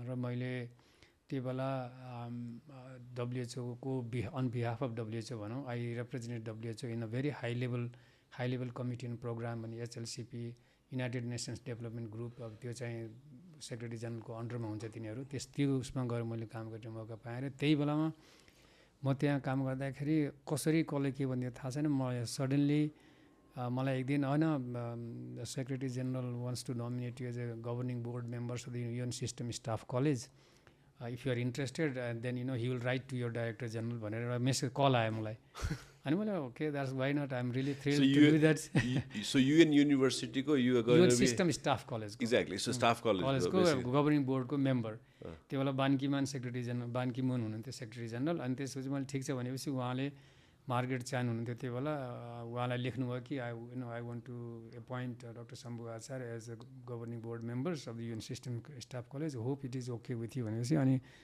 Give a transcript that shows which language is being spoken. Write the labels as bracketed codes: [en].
[ne] र मैले त्यो बेला WHOको अनबिहाफ अफ WHO भनौँ, [en] I represented WHO in a very high level committee and programme [ne] भन्ने HLCP United nations development group, अब त्यो चाहिँ सेक्रेटरी जेनरलको अन्डरमा हुन्छ तिनीहरू, त्यो उसमा गएर मैले काम गर्ने मौका पाएँ। र त्यही बेलामा म त्यहाँ काम गर्दाखेरि कसरी कसले के भनिदियो थाहा छैन, म सडन्ली मलाई एक दिन होइन [en] secretary general wants to nominate you as a governing board members of the UN system staff college, if you are interested then you know he will write to your director general [ne] भनेर एउटा message call आयो मलाई अनि मैले [en] okay that's why not I am really thrilled to do that so UN युनिभर्सिटीको you are going to be system staff college exactly so staff [ne] कलेजको governing बोर्डको member त्यो बेला बानकीमान सेक्रेटरी जेनरल बानकीमान हुनुहुन्थ्यो सेक्रेटरी जेनरल अनि त्यसपछि मैले ठिक छ भनेपछि उहाँले मार्गरेट चान हुनुहुन्थ्यो त्यो बेला उहाँलाई लेख्नुभयो कि [en] I want to appoint doctor Shambhu Acharya as a governing board members of the UN system staff college hope it is okay with you [ne] भनेपछि अनि